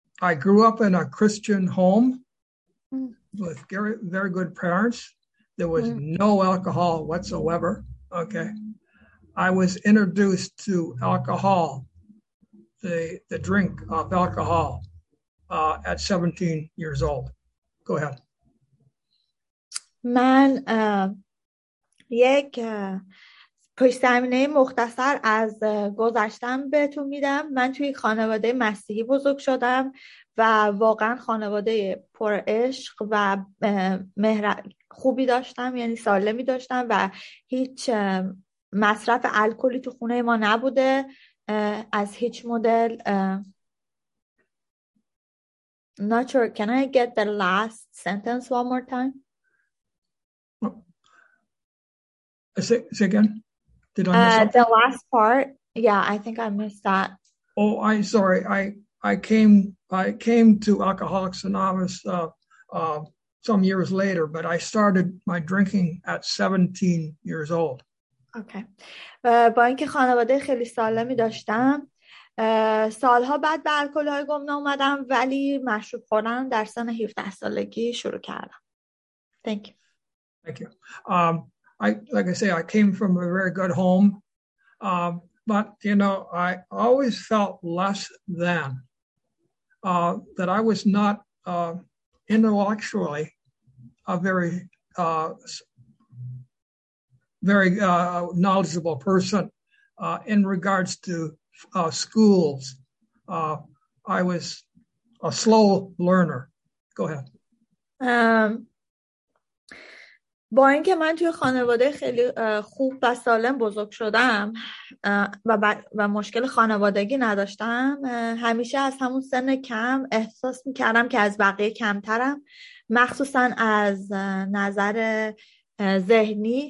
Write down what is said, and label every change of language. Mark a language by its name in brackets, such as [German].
[English] I grew up in a Christian home with very, very good parents. There was no alcohol whatsoever. Okay, I was introduced to alcohol, the drink of alcohol. At 17 years old. Go ahead. [Persian] من یک پشت زمینه مختصر از گذشتم بهتون میدم. من توی خانواده مسیحی بزرگ شدم و واقعا خانواده پر عشق و مهر خوبی داشتم، یعنی سالمی داشتم و هیچ مصرف الکلی تو خونه ما نبوده از هیچ مدل. [English] Not sure. Can I get the last sentence one more time? Say again. Did I miss the last part? Yeah, I think I missed that. Oh, I'm sorry. I came to Alcoholics Anonymous some years later, but I started my drinking at 17 years old. Okay. [Persian] با اینکه خانواده خیلی سالمی داشتم، سالها بعد به الکل‌های گمنام اومدم، ولی مشروب خوردن در سن 17 سالگی شروع کردم. [English] Thank you. Thank you. I came from a very good home. But you know, I always felt less than that I was not intellectually a very very knowledgeable person in regards to schools. I was a slow learner. Go ahead. [Persian] با اینکه من توی خانواده خیلی خوب و سالم بزرگ شدم و مشکل خانوادگی نداشتم، همیشه از همون سن کم احساس میکردم که از بقیه کمترم، مخصوصا از نظر ذهنی.